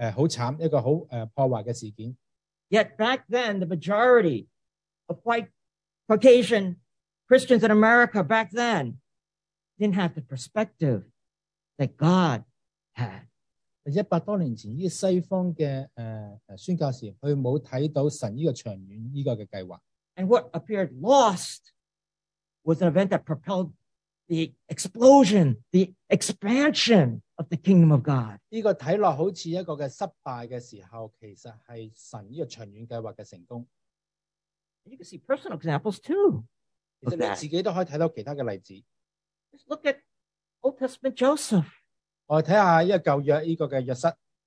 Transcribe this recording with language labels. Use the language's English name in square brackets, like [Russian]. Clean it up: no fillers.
[Chinese] 当时共产党是将这个西方的宣教士去赶走，看起来是好像很惨，一个很破坏的事件。 [English] Yet back then, the majority of white Caucasian Christians in America back then didn't have the perspective that God had. [Chinese] 100多年前，这些西方的宣教士，他没有看到神这个长远这个计划。 [English] And what appeared lost was an event that propelled the explosion, the expansion of the kingdom of God. [Chinese] 这个看起来好像一个失败的时候，其实是神这个长远计划的成功。 [English] You can see personal examples too. [Chinese] 其实你自己都可以看到其他的例子。 [English] Just look at Old Testament Joseph. [Chinese] 我们看看这个旧约这个约瑟。